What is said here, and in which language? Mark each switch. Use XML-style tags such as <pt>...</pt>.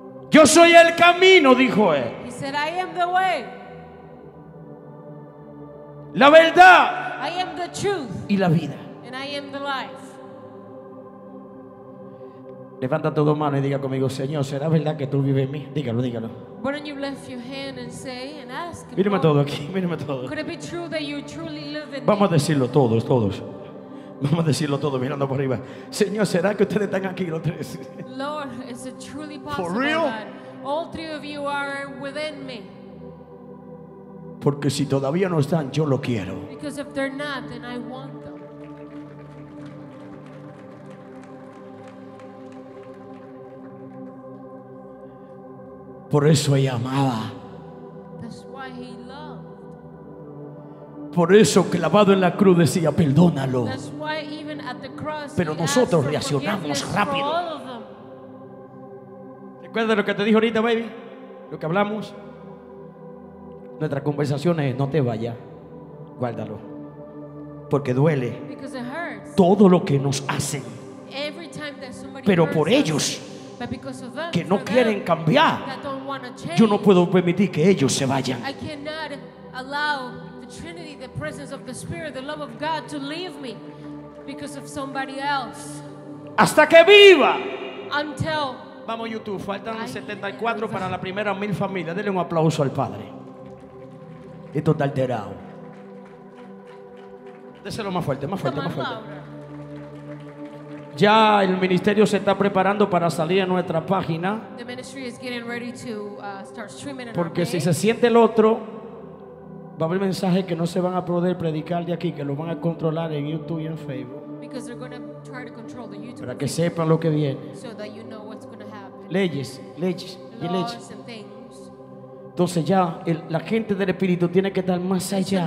<es>Yo soy el camino, dijo él.</es> <en>He said, I am the way.</en> <es>La verdad.</es> <en>I am the truth.</en> <es>Y la vida.</es> <en>And I am the life.</en> <es>Levanta tus dos manos y diga conmigo, Señor, ¿será verdad que tú vives en mí? Dígalo, dígalo.</es> <en>Why don't you lift your hand and say and ask?</en> <es>Míreme todo aquí, míreme todo.</es> <en>Could it be true that you truly live in me?</en> <es>Vamos a decirlo todos, todos. Vamos a decirlo todos mirando por arriba. Señor, ¿será que ustedes están aquí los tres?</es> <en>Lord, is it truly possible? For real? That all three of you are within me.</en> <es>Porque si todavía no están, yo lo quiero.</es> <en>Because if they're not, then I want them.</en> <es>Por eso ella amaba.</es> <en>That's why he loved.</en> <es>Por eso clavado en la cruz decía, perdónalo.</es> <en>That's why even at the cross,</en> <es>pero nosotros reaccionamos rápido. ¿Recuerdas lo que te dije ahorita, baby? Lo que hablamos. Nuestras conversaciones, no te vayas. Guárdalo. Porque duele.</es> <en>Because it hurts.</en> <es>Todo lo que nos hacen.</es> <en>Every time that somebody</en> <es>pero por ellos.</es> <en>But because of them,</en> <es>que no quieren</es> <en>them,</en> <es>cambiar</es> <en>that don't want to change,</en> <es>yo no puedo permitir que ellos se vayan.</es> <en>I cannot allow the Trinity, the presence of the Spirit, the love of God to leave me because of somebody else.</en> <es>Hasta que viva.</es> <en>Until</en> <es>vamos YouTube, faltan 74 para la primera 1,000 familias. Denle un aplauso al Padre. Esto está alterado. Déselo más fuerte, más fuerte, más fuerte. Ya el ministerio se está preparando para salir a nuestra página.</es> <en>The ministry is getting ready to start streaming.</en> <es>Porque si se siente el otro, va a haber mensajes que no se van a poder predicar de aquí, que lo van a controlar en YouTube y en Facebook.</es> <en>Because they're going to try to control the YouTube.</en> <es>Para que sepan lo que viene.</es> <en>So that you know what's going to happen.</en> <es>Leyes, leyes,</es> <en>laws</en> <es>y leyes.</es> <en>And things.</en> <es>Entonces ya la gente del Espíritu tiene que estar más allá.</es>